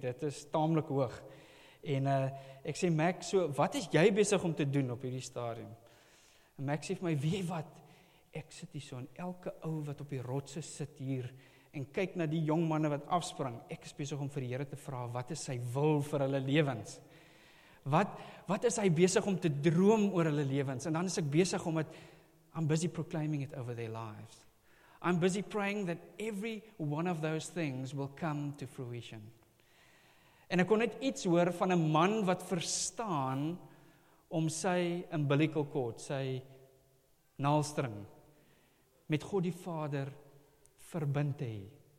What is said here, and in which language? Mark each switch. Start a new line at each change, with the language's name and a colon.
Afrikaans: Dit is taamlik hoog. En ek sê, Mac, so, wat is jy besig om te doen op hierdie stadium? En Mac sê vir my, weet wat? Ek sit hier so en elke ou wat op die rotse sit hier, en kyk na die jong manne wat afspring, ek is besig om vir die Here te vra, wat is sy wil vir hulle lewens? Wat is hy besig om te droom oor hulle lewens? En dan is ek besig om het,
English: I'm busy proclaiming it over their lives. I'm busy praying that every one of those things will come to fruition.
Afrikaans: En ek kon net iets hoor van 'n man wat verstaan om sy umbilical cord, sy naalstring, met God die Vader verbind te hê.